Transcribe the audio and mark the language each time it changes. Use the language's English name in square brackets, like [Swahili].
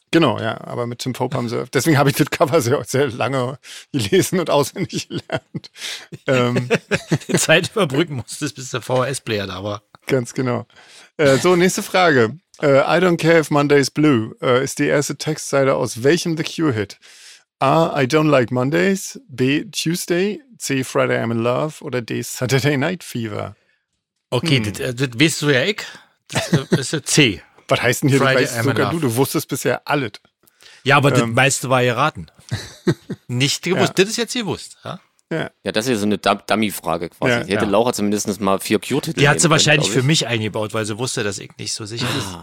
[German] Genau, ja, aber mit Tim Pope haben sie, deswegen habe ich das Cover sehr lange gelesen und auswendig gelernt. Die Zeit überbrücken musstest, bis der VHS-Player da war. Ganz genau. So, nächste Frage. [English] I don't care if Monday is blue [German] ist die erste Textzeile aus welchem The Cure-Hit? A, I don't like Mondays, B, Tuesday, C, Friday I'm in Love oder D, Saturday Night Fever. Okay, das weißt du ja ich. Das ist C. Was heißt denn hier, Friday, du weißt I'm sogar du wusstest bisher alles. Ja, aber das meiste war erraten. Nicht gewusst, ja. Das ist jetzt gewusst. Ja, ja, das ist ja so eine Dummy-Frage quasi. Ja, hätte Laura zumindest mal vier Cure-Titel. Die hat sie wahrscheinlich für mich eingebaut, weil sie wusste, dass ich nicht so sicher bin.